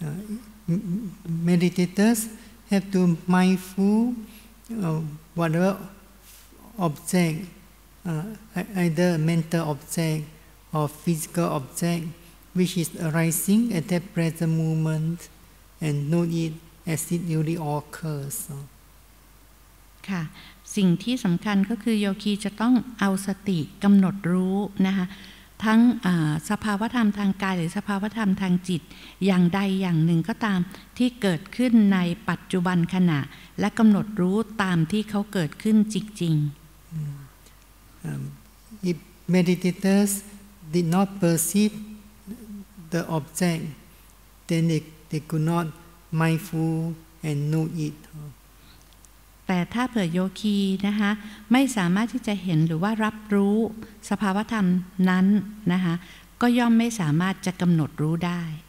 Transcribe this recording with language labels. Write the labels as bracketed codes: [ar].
[en] ออ Meditators have to mindful whatever object either mental object or physical object which is arising at that present moment and note it as it really occurs [th] ค่ะสิ่งที่สำคัญก็คือโยคีจะต้องเอาสติกำหนดรู้นะคะทั้งสภาวธรรมทางกายหรือสภาวธรรมทางจิตอย่างใดอย่างหนึ่งก็ตามที่เกิดขึ้นในปัจจุบันขณะและกำหนดรู้ตามที่เขาเกิดขึ้นจริง [en] ๆ If meditators did not perceive the object then they could not mindful and know it [th] แต่ถ้าเผื่อโยคีนะคะไม่สามารถที่จะเห็นหรือว่ารับรู้สภาวธรรมนั้นนะคะก็ย่อมไม่สามารถจะกำหนดรู้ได้